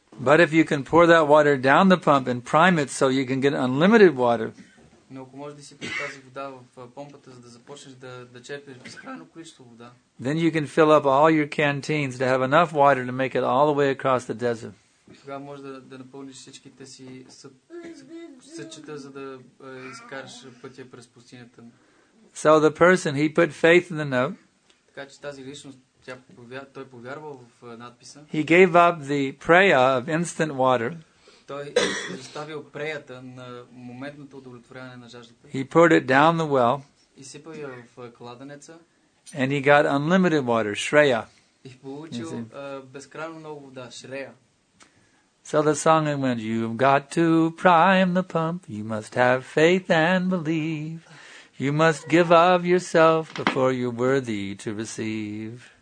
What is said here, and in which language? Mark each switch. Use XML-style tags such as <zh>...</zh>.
<en>But if you can pour that water down the pump and prime it so you can get unlimited water.</en> <bg>Но ако можеш да си пиеш тази вода в помпата, за да започнеш да черпиш безкрайно количество вода.</bg> <en>Then you can fill up all your canteens to have enough water to make it all the way across the desert.</en> <bg>Тогава можеш да напълниш всичките си съчета, за да изкараш пътя през пустинята.</bg> <en>So the person, he put faith in the note.</en> <bg>Така че тази личност, той повярвал в надписа.</bg> <en>He gave up the prayer of instant water.</en> <bg>Той изоставил преята на моментното удовлетворяване на жаждата.</bg> <en>He poured it down the well.</en> <bg>И сипал я в кладенеца.</bg> <en>And he got unlimited water, shreya.</en> <bg>И получил безкрайно много вода, shreya.</bg> <en>So the song went, you've got to prime the pump, you must have faith and believe. You must give of yourself before you're worthy to receive.</en>